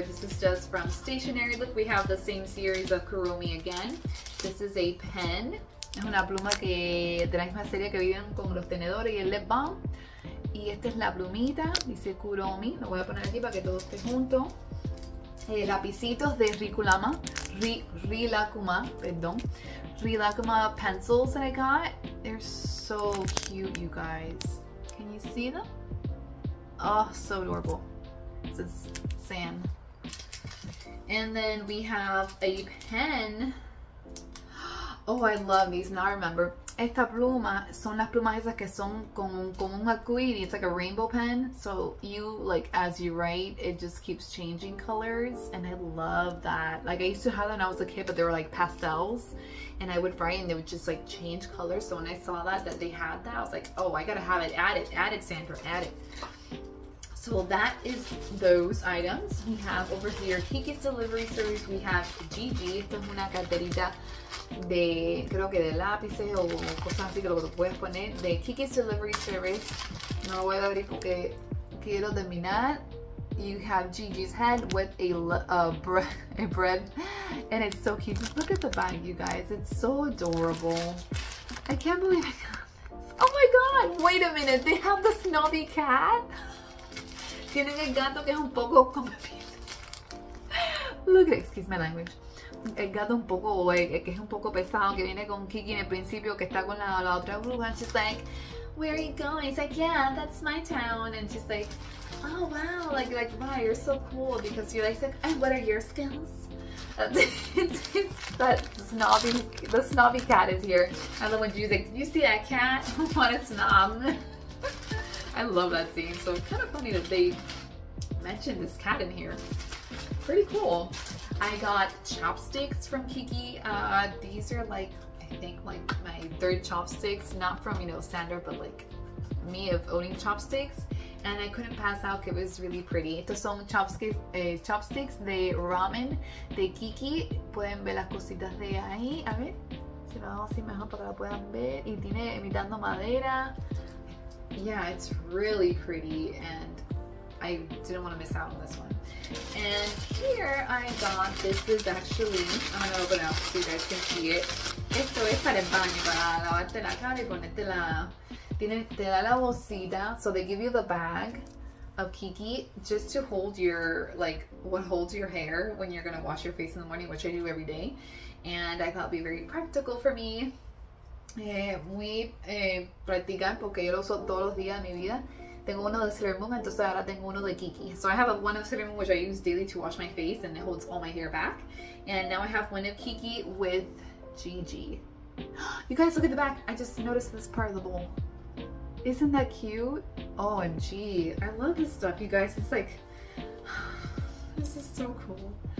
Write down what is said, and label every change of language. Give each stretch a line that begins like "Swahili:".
English: This is just from stationery. Look, we have the same series of Kuromi again. This is a pen.
Spanish: Es una pluma que de la misma serie que viven con los tenedores y el lip balm. Y esta es la plumita, dice Kuromi. Lo voy a poner aquí para que todo esté junto. Lapicitos de Rilakkuma.
English: Rilakkuma pencils that I got. They're so cute, you guys. Can you see them? Oh, so adorable. This is Sam. And then we have a pen. Oh, I love these. Now I remember.
Spanish: Esta pluma son las plumas esas que son con un arcoíris.
English: It's like a rainbow pen. So you, like, as you write, it just keeps changing colors. And I love that. Like, I used to have that when I was a kid, but they were, like, pastels. And I would write, and they would just, like, change colors. So when I saw that they had that, I was like, oh, I gotta have it. Add it. Add it, Sandra. Add it. So that is those items. We have over here Kiki's Delivery Service. We have Gigi.
Spanish: Esta es una carterita. De creo que de lápices o cosas así que lo puedes poner de Kiki's Delivery Service. No lo voy a abrir porque quiero terminar.
English: You have Gigi's head with a bread and it's so cute. Just look at the bag, you guys. It's so adorable. I can't believe I got this. Oh my god, wait a minute, they have the snobby cat.
Spanish: Tienen el gato que es un poco como
English: look at it. Excuse my language.
Spanish: El gato un poco, que es un poco pesado, que viene con Kiki en el principio, que está con la otra bruja.
English: And she's like, where are you going? He's like, yeah, that's my town. And she's like, oh, wow. Like, wow, you're so cool. Because you're like, and what are your skills? The snobby cat is here. I love when she's like, did you see that cat? What a snob. I love that scene. So it's kind of funny that they mentioned this cat in here. Pretty cool. I got chopsticks from Kiki. These are like, I think like my third chopsticks, not from, you know, Sandra, but like me of owning chopsticks. And I couldn't pass out because it was really pretty.
Spanish: Estos son chopsticks de ramen de Kiki. Pueden ver las cositas de ahí. A ver, si lo hago así mejor para que lo puedan ver. Y tiene imitando madera.
English: Yeah, it's really pretty and I didn't want to miss out on this one. And here I got, this is actually, I'm going to open it up so you guys can see it.
Spanish: Esto es para el baño, para lavarte la cara y ponerte la... Tiene, te da la bolsita.
English: So they give you the bag of Kiki just to hold your, like, what holds your hair when you're going to wash your face in the morning, which I do every day. And I thought it would be very practical for me.
Spanish: Practicar porque yo lo uso todos los días de mi vida. Tengo uno de Sailor Moon, entonces ahora tengo uno de Kiki.
English: So I have one of Sailor Moon, which I use daily to wash my face, and it holds all my hair back. And now I have one of Kiki with Gigi. You guys, look at the back. I just noticed this part of the bowl. Isn't that cute? OMG. I love this stuff, you guys. It's like, this is so cool.